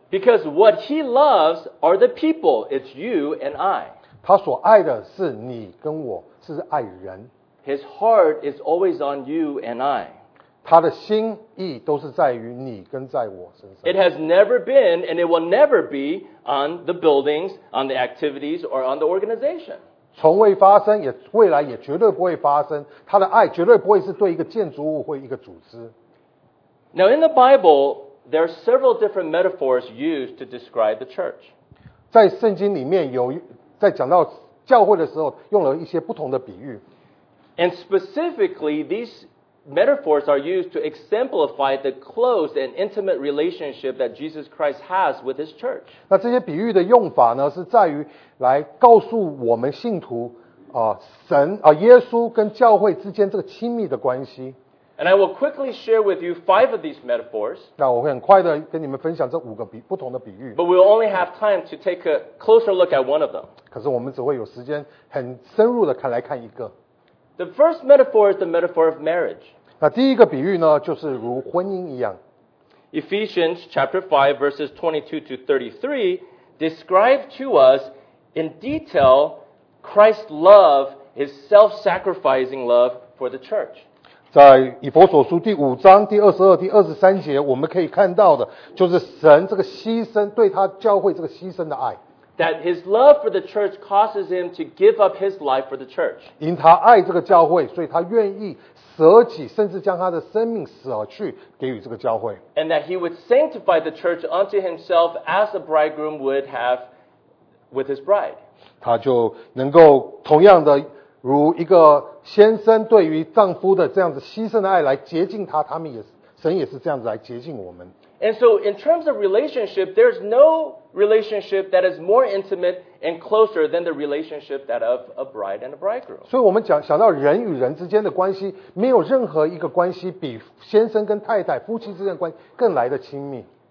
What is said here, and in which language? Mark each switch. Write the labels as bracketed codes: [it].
[en] Because what he loves are the people, it's you and I. [zh] 他所爱的是你跟我, 是爱人。 [en] His heart is always on you and I. [zh] 他的心意都是在于你跟在我身上。 [en] It has never been and it will never be on the buildings, on the activities, or on the organization. [zh] 从未发生, 也, 未来也绝对不会发生, 他的爱绝对不会是对一个建筑物或一个组织。 [en] Now in the Bible, there are several different metaphors used to describe the church. [zh] 在圣经里面有, 在讲到教会的时候, 用了一些不同的比喻。 [en] And specifically, these metaphors are used to exemplify the close and intimate relationship that Jesus Christ has with his church. [zh] 那这些比喻的用法呢, 是在于来告诉我们信徒, 神, 耶稣跟教会之间这个亲密的关系。 [en] And I will quickly share with you five of these metaphors. [zh] 那我会很快地跟你们分享这五个比, [en] but we'll only have time to take a closer look at one of them. [zh] 可是我们只会有时间很深入地来看一个。 [en] The first metaphor is the metaphor of marriage. [zh] 那第一个比喻呢, 就是如婚姻一样。 [en] Ephesians chapter 5 verses 22 to 33 describe to us in detail Christ's love, his self-sacrificing love for the church. [zh] 在以弗所书第五章第22、第23节, 我们可以看到的就是神这个牺牲对他教会这个牺牲的爱。 [en] That his love for the church causes him to give up his life for the church. [zh] 因他爱这个教会, 所以他愿意舍己, 甚至将他的生命舍去给予这个教会。 [en] And that he would sanctify the church unto himself as a bridegroom would have with his bride. [zh] 他就能够同样的, 如一个先生对于丈夫的这样子牺牲的爱来洁净他, 他们也, 神也是这样子来洁净我们。 [en] And so in terms of relationship, there's no relationship that is more intimate and closer than the relationship that of a bride and a bridegroom. [zh] 所以我们讲到人与人之间的关系, 没有任何一个关系比先生跟太太, 夫妻之间的关系更来得亲密。